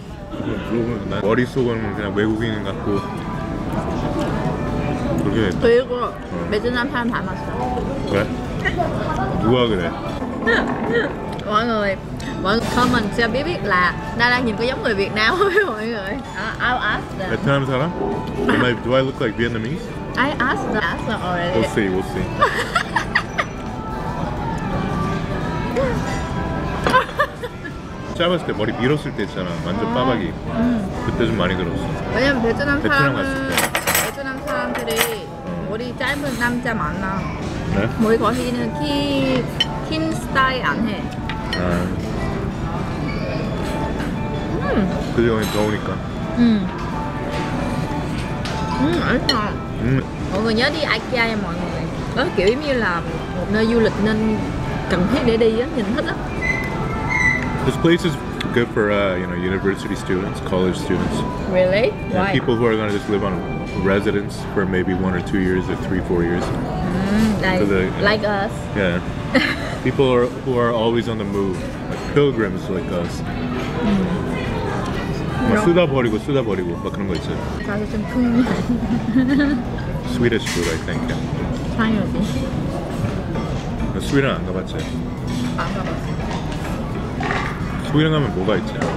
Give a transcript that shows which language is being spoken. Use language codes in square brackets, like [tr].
[ko] 블로그는 난 머릿속은 그냥 외국인 같고 그렇게 됐다. 그리고 베트남 사람 닮았어. 왜? 누가 그래? 뭔 거 뭔 [vi] comment [ko] 제가 [vi] biết là Na Lan nhìn có giống người Việt Nam không mọi người? [en] I'll ask them. [ko] 베트남 사람? [en] Am I, do I look like Vietnamese? I asked them already. We'll see, we'll see. [ko] 짧았을 때 머리 밀었을 때 있잖아 완전 빠박이 그때 좀 많이 들었어 왜냐면 베트남 사람은 베트남 갔을 때 베트남 사람들이 머리 짧은 남자 많아 네? 머리 거기는 키 팀 스타일 안 해 아 그지 형이 더우니까 맛있어 [vi] mọi người nhớ đi IKEA 야 mọi người đó kiểu như là một nơi du lịch nên cần thiết để đi á nhìn thích á [en] This place is good for you know university students, college students. Really? Yeah, why? People who are gonna just live on residence for maybe 1 or 2 years or 3-4 years. Nice. The, like us. Yeah. People who are always on the move, like pilgrims like us. [ko] 쓰다 버리고 쓰다 버리고 막 그런 거 있어요. 가서 좀 큰. [en] Swedish food, I think. [ko] 당연히. 스웨덴 안 가봤지? 안 가봤어. 스웨덴 가면 뭐가 있지?